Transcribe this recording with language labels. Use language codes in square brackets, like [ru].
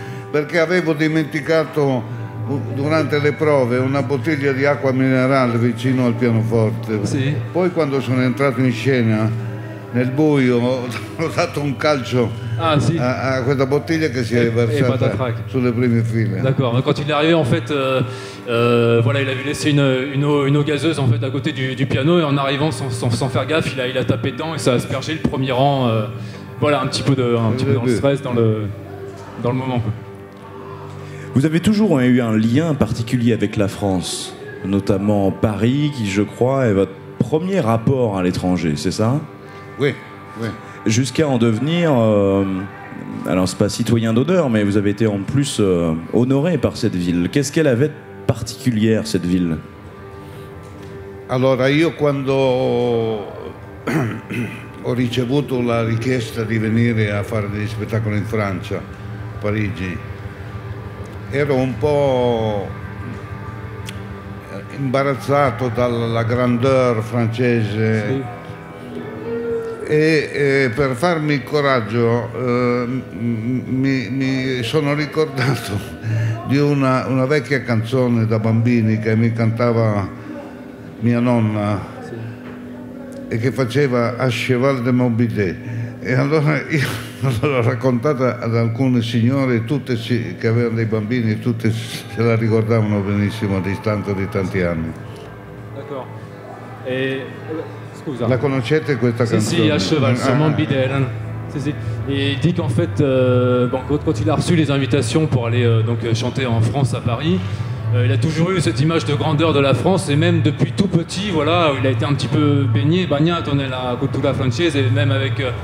[it] Perché avevo dimenticato durante le prove una bottiglia di acqua minerale vicino al pianoforte. Sì. Poi quando sono entrato in scena, nel buio, ho dato un calcio a questa bottiglia che si è versata sulle prime file. [fr] D'accord, quand il est arrivé, en fait, voilà, il avait laissé une eau gazeuse en fait à côté du piano, et en arrivant sans faire gaffe, il a tapé dedans et ça a aspergé le premier rang. Voilà, un petit peu dans le stress, dans le moment. Vous avez toujours eu un lien particulier avec la France, notamment Paris, qui, je crois, est votre premier rapport à l'étranger, c'est ça? Oui, oui. Jusqu'à en devenir, alors c'est pas citoyen d'honneur, mais vous avez été en plus honoré par cette ville. Qu'est-ce qu'elle avait de particulière, cette ville? [it] Alors, io quando ho ricevuto la richiesta di venire a fare degli spettacoli in Francia, Parigi, ero un po' imbarazzato dalla grandeur francese. Sì. E per farmi coraggio mi sono ricordato di una vecchia canzone da bambini che mi cantava mia nonna, sì, e che faceva [fr] A cheval de mon bidet, Et alors, je l'ai raconté à certains signores, tous qui avaient des bambini, tous [it] se la ricordavano benissimo, distante di tanti anni. [fr] D'accord. Et. [it] Scusa. La conoscete questa canzone? Sì, [fr] à cheval, sur mon bidet. [it] Sì, sì. [fr] Et il dit qu'en fait, quand il a reçu les invitations pour aller donc, chanter en France à Paris, il a toujours eu cette image de grandeur de la France, et même depuis tout petit, voilà, il a été un petit peu baigné, [it] bagnato [fr] nella cultura francese, et même avec.